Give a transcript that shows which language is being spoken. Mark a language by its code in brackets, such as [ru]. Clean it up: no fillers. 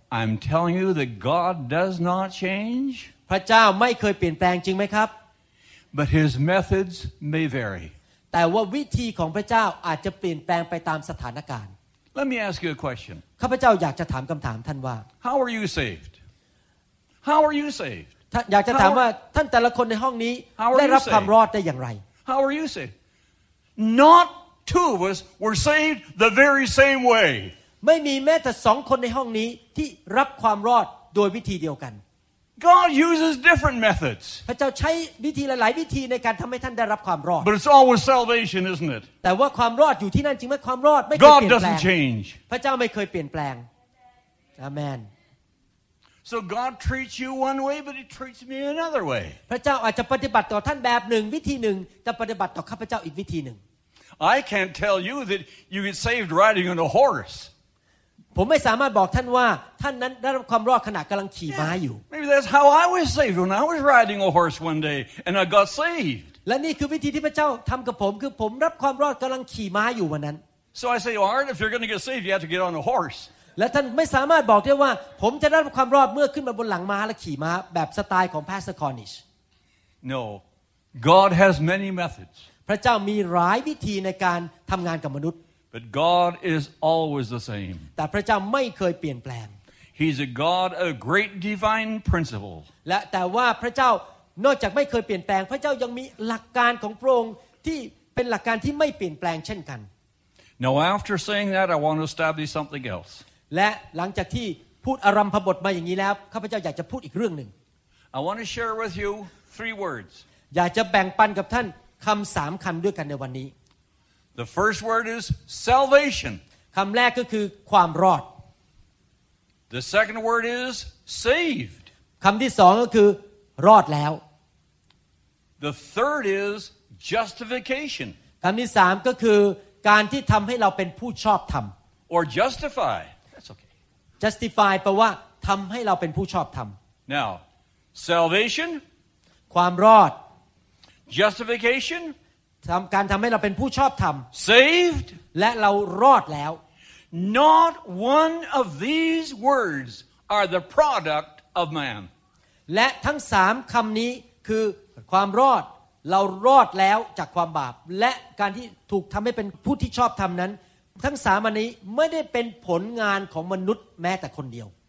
[en] I'm telling you that God does not change [th] พระเจ้าไม่เคยเปลี่ยนแปลงจริงไหมครับ [en] But his methods may vary [th] แต่ว่าวิธีของพระเจ้าอาจจะเปลี่ยนแปลงไปตามสถานการณ์ [en] Let me ask you a question [th] ข้าพเจ้าอยากจะถามคำถามท่านว่า [en] How are you saved How are you saved [th] อยากจะถามว่าท่านแต่ละคนในห้องนี้ ได้รับความรอดได้อย่างไร [en] How are you saved Not two of us were saved the very same way [th] ไม่มีแม้แต่สองคนในห้องนี้ที่รับความรอดโดยวิธีเดียวกัน [en] God uses different methods [th] พระเจ้าใช้วิธีหลายๆวิธีในการทำให้ท่านได้รับความรอด [en] But it's always salvation isn't it [th] แต่ว่าความรอดอยู่ที่นั่นจริงไหมความรอดไม่เคย เปลี่ยนแปลง [en] God doesn't change [th] พระเจ้าไม่เคยเปลี่ยนแปลง Amen [en] So God treats you one way but he treats me another way [th] พระเจ้าอาจจะปฏิบัติต่อท่านแบบหนึ่งวิธีหนึ่งจะปฏิบัติต่อข้าพเจ้าอีกวิธีหนึ่ง [en] I can't tell you that you get saved riding on a horse [th] ผมไม่สามารถบอกท่านว่าท่านนั้นได้รับความรอดขณะกำลังขี่ม้าอยู่ [en] Maybe that's how I was saved when I was riding a horse one day and I got saved [th] และนี่คือวิธีที่พระเจ้าทำกับผมคือผมรับความรอดกำลังขี่ม้าอยู่วันนั้น [en] So I say, Art, if you're going to get saved, you have to get on a horse [th] และท่านไม่สามารถบอกได้ว่าผมจะได้รับความรอดเมื่อขึ้นมาบนหลังม้าและขี่ม้าแบบสไตล์ของพาสเตอร์คอร์นิช [en] No God has many methods [th] พระเจ้ามีหลายวิธีในการทำงานกับมนุษย์ [en] But God is always the same [th] แต่พระเจ้าไม่เคยเปลี่ยนแปลง [en] He's a God of great divine principle [th] และแต่ว่าพระเจ้านอกจากไม่เคยเปลี่ยนแปลงพระเจ้ายังมีหลักการของพระองค์ที่เป็นหลักการที่ไม่เปลี่ยนแปลงเช่นกัน [en] Now after saying that I want to establish something else [th] และหลังจากที่พูดอารัมภบทมาอย่างนี้แล้วข้าพเจ้าอยากจะพูดอีกเรื่องนึง [en] I want to share with you three words [th] อยากจะแบ่งปันกับท่านคำ3คำด้วยกันในวันนี้ [en] The first word is salvation [th] คำแรกก็คือความรอด [en] The second word is saved [th] คำที่2ก็คือรอดแล้ว [en] The third is justification [th] คำที่3ก็คือการที่ทำให้เราเป็นผู้ชอบธรรม [en] or justify [th] Justify แปลว่าทำให้เราเป็นผู้ชอบธรรม [en] Now, salvation [th] ความรอด [en] Justification [th] การทำให้เราเป็นผู้ชอบธรรม [en] Saved [th] และเรารอดแล้ว [en] Not one of these words are the product of man [th] และทั้งสามคำนี้คือความรอดเรารอดแล้วจากความบาปและการที่ถูกทำให้เป็นผู้ที่ชอบธรรมนั้นทั้งสามอันนี้ไม่ได้เป็นผลงานของมนุษย์แม้แต่คนเดียว